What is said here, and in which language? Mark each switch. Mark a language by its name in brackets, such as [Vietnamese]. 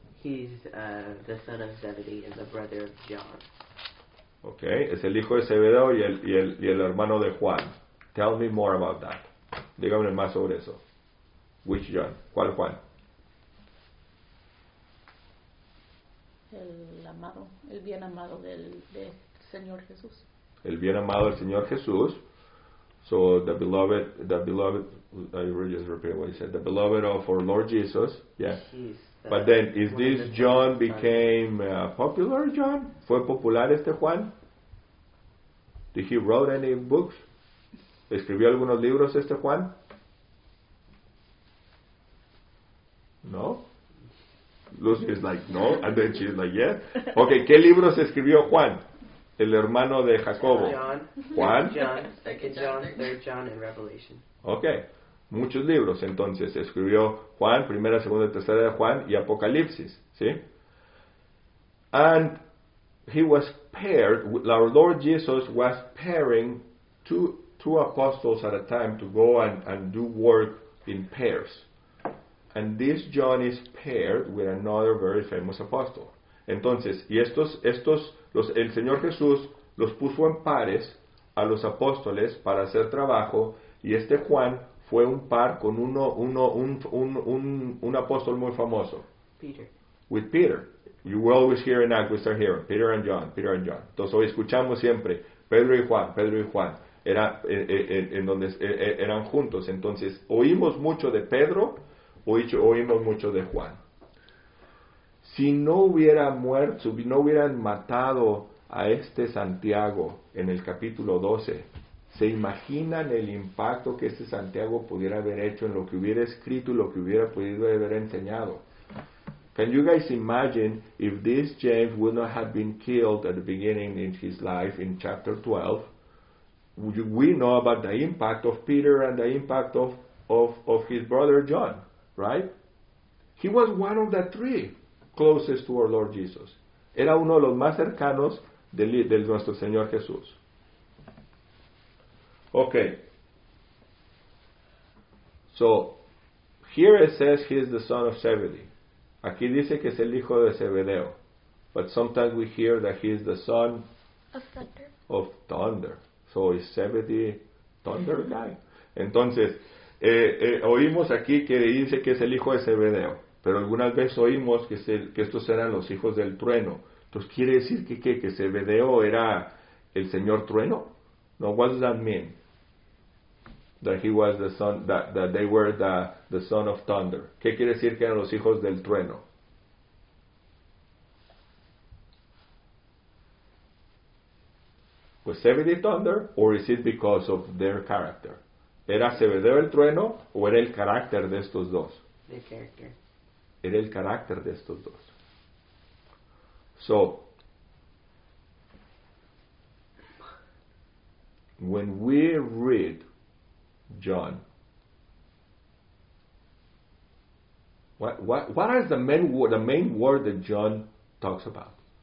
[English] He's the son of Zebedee and the brother of John. [Spanish] Okay, es el hijo de Zebedeo y el hermano de Juan. [English] Tell me more about that. [Spanish] Dígame más sobre eso. [English] Which John? [Spanish] ¿Cuál Juan? El amado, el bien amado del Señor Jesús. El bien amado del Señor Jesús. [English] So the beloved, I will just repeat what he said. The beloved of our Lord Jesus. Yeah. But then, is this John became popular? John? [Spanish] ¿Fue popular este Juan? [English] Did he write any books? [Spanish] ¿Escribió algunos libros este Juan? No. [English] Lucy is like no, and then she's like yes. [Spanish] Yeah. Okay, ¿qué libros escribió Juan? El hermano de Jacobo. [English] John. [Spanish] Juan. [English] John. Second John. Third John and Revelation. Okay. [Spanish] Muchos libros, entonces, escribió Juan, primera, segunda y tercera de Juan, y Apocalipsis, ¿sí? [English] And he was paired, our Lord Jesus was pairing two apostles at a time to go and do work in pairs. And this John is paired with another very famous apostle. [Spanish] Entonces, y el Señor Jesús los puso en pares a los apóstoles para hacer trabajo, y este Juan fue un par con un apóstol muy famoso. [English] Peter. With Peter. You will always hear in Acts, we start hearing, Peter and John, Peter and John. [Spanish] Entonces hoy escuchamos siempre, Pedro y Juan. Eran juntos. Entonces oímos mucho de Pedro, oímos mucho de Juan. Si no hubiera muerto, si no hubieran matado a este Santiago en el capítulo 12, ¿se imaginan el impacto que este Santiago pudiera haber hecho en lo que hubiera escrito y lo que hubiera podido haber enseñado? [English] Can you guys imagine if this James would not have been killed at the beginning in his life in chapter 12? We know about the impact of Peter and the impact of his brother John, right? He was one of the three closest to our Lord Jesus. [Spanish] Era uno de los más cercanos de nuestro Señor Jesús. [English] Okay, so here it says he is the son of Zebedee. [Spanish] Aquí dice que es el hijo de Zebedeo. [English] But sometimes we hear that he is the son of thunder. So is Zebedee thunder guy? [Spanish] Entonces, oímos aquí que dice que es el hijo de Zebedeo. Pero algunas veces oímos que estos eran los hijos del trueno. Entonces quiere decir que Zebedeo era el señor trueno. [English] No, what does that mean? That he was the son, that they were the son of thunder. [Spanish] ¿Qué quiere decir que eran los hijos del trueno? [English] Was Zebedee thunder, or is it because of their character? [Spanish] ¿Era Zebedeo el trueno, o era el carácter de estos dos? [English] The character. [Spanish] Era el carácter de estos dos. [English] So, when we read John, what is the main word that John talks about?